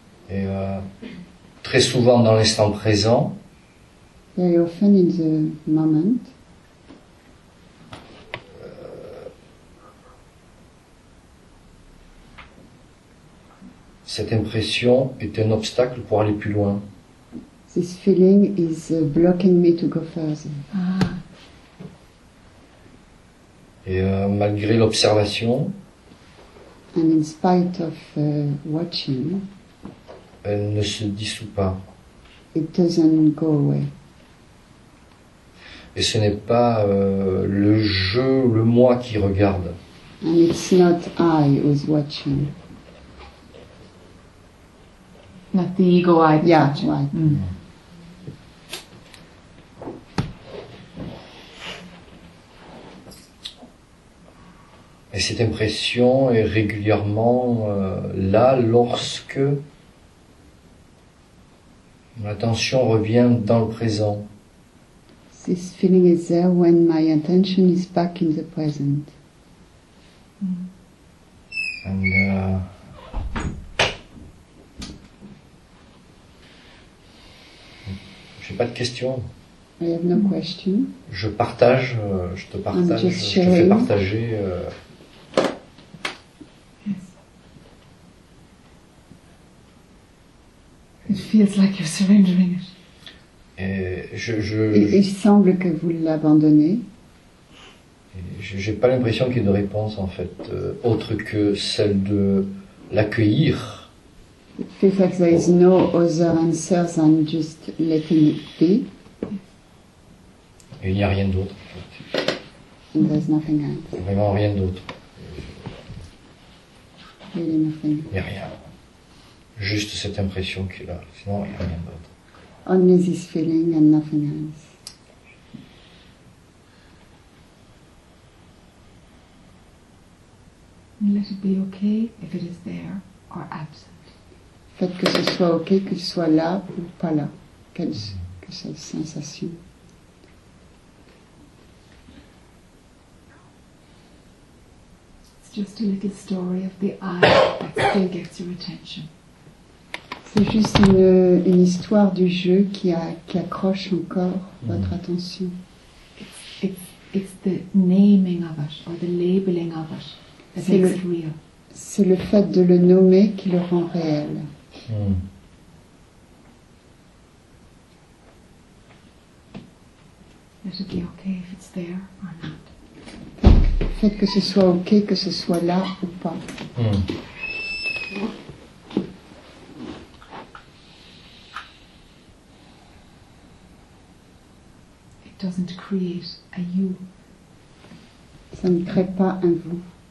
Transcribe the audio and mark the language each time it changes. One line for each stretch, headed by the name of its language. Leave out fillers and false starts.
French: Et très souvent dans l'instant présent.
English: Very often in the moment.
French: Cette impression est un obstacle pour aller plus loin.
English: This feeling is blocking me to go further. Ah.
French: Et malgré l'observation,
English: and in spite of watching,
French: elle ne se dissout pas.
English: It doesn't go away.
French: Et ce n'est pas le je, le moi qui regarde.
English: And it's not I who's watching. Not the ego I. Yeah, right. Mm. Mm.
French: Et cette impression est régulièrement là lorsque l'attention revient dans le présent.
English: This feeling is there when my attention is back in the present.
French: Mm. And j'ai pas de questions.
English: I have no question.
French: Je partage, je te partage, je te fais partager.
English: It feels like you're surrendering it.
French: Et il semble que vous l'abandonnez. J'ai pas l'impression qu'il y ait une réponse en fait, autre que celle de l'accueillir.
English: It feels like there is no other answer than just letting it be.
French: Et il n'y a rien d'autre en fait.
English: There's nothing else.
French: Vraiment rien d'autre.
English: Really nothing.
French: Il n'y a rien. Juste cette impression qu'il a, sinon il n'y a rien d'autre.
English: Only this feeling and nothing else. Let it be okay if it is there or absent.
French: Faites que ce soit ok, qu'il soit là ou pas là. Quelle que soit la sensation.
English: It's just a little story of the eye that still gets your attention.
French: C'est juste une histoire du jeu qui accroche encore votre attention.
English: It's the naming of it, or the labeling of it, that makes it real.
French: C'est le fait de le nommer qui le rend réel.
English: Let it be okay if it's there or not.
French: Faites que ce soit ok, que ce soit là ou pas.
English: Doesn't create a you.
French: Ça ne crée pas un vous.